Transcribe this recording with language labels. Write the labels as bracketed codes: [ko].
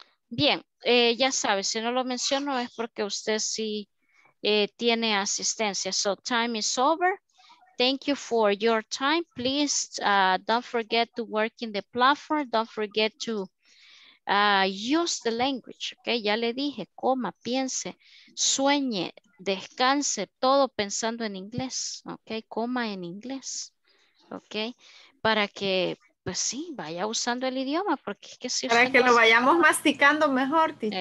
[es] Bien, ya sabes, si no lo menciono es porque usted sí tiene asistencia. [en] So, time is over. Thank you for your time. Please don't forget to work in the platform. Don't forget to use the language. Okay? [es] Ya le dije, coma, piense, sueñe, descanse, todo pensando en inglés. Okay? Coma en inglés. Okay? Para que... Pues sí, vaya usando el idioma, porque es que si... Para que lo vayamos masticando mejor, teacher.